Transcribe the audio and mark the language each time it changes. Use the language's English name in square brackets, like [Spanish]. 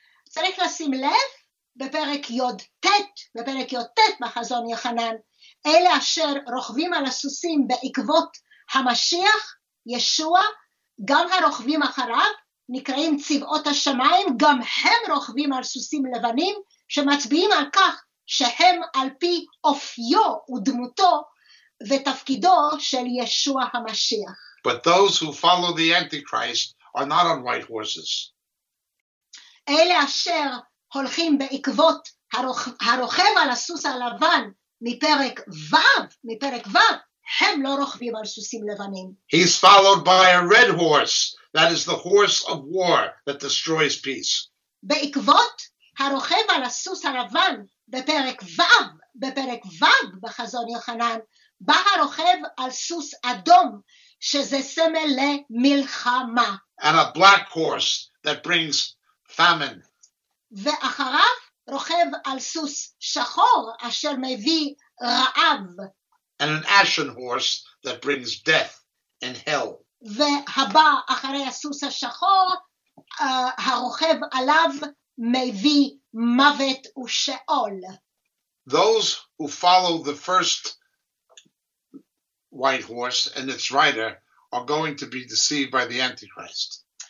[Hebrew] צריך לשים לב בפרק י"ט בחזון יוחנן, אלה אשר רוכבים על הסוסים בעקבות המשיח, ישוע, גם הרוכבים אחריו, נקראים צבאות השמיים, גם הם רוכבים על סוסים לבנים, שמצביעים על כך שהם על פי אופיו ודמותו ותפקידו של ישוע המשיח. [English] But those who follow the Antichrist are not on white horses. [Hebrew] אלה אשר הולכים בעקבות הרוכב על הסוס הלבן מפרק וב, הם לא רוכבים על סוסים לבנים. [English] He's followed by a red horse. That is the horse of war that destroys peace. [Hebrew] בעקבות הרוכב על הסוס הלבן בפרק וב בחזון יוחנן, בא הרוכב על סוס אדום, שזה סמל למלחמה. [English] And a black horse that brings famine. [Hebrew] ואחריו רוכב על סוס שחור אשר מביא רעב. [English] And an ashen horse that brings death and hell. [Hebrew] והבא אחרי הסוס השחור, הרוכב עליו מביא מוות ושאול. [English] Those who follow the first white horse and its rider are going to be deceived by the Antichrist.